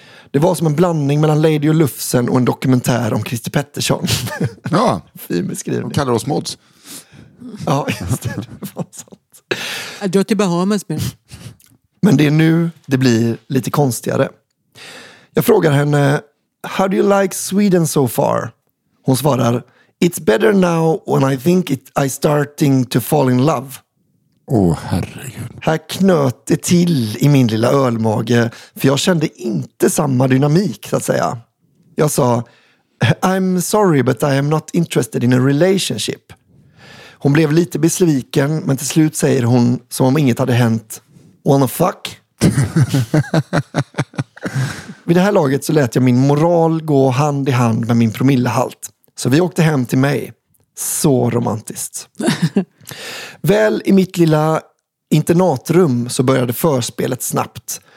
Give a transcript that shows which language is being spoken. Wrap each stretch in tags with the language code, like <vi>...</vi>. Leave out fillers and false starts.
<sv>Det var som en blandning mellan Lady och Lufsen och en dokumentär om Christer Pettersson. Ja, fin beskrivning. De kallar oss mods. Ja, just det. Det var sånt. Jag drar till Bahamas med. Men det är nu det blir lite konstigare. Jag frågar henne,</sv> <en>how do you like Sweden so far?</en> <sv>Hon svarar,</sv> <en>it's better now when I think I'm starting to fall in love.</en> <sv>Åh, herregud. Här knöt det till i min lilla ölmage, för jag kände inte samma dynamik, så att säga. Jag sa,</sv> <en>I'm sorry, but I am not interested in a relationship.</en> <sv>Hon blev lite besviken, men till slut säger hon, som om inget hade hänt,</sv> <en>wanna fuck?</en> <sv>Vid det här laget så lät jag min moral gå hand i hand med min promillehalt. Så vi åkte hem till mig. Så romantiskt. Väl i mitt lilla internatrum så började förspelet snabbt.</sv>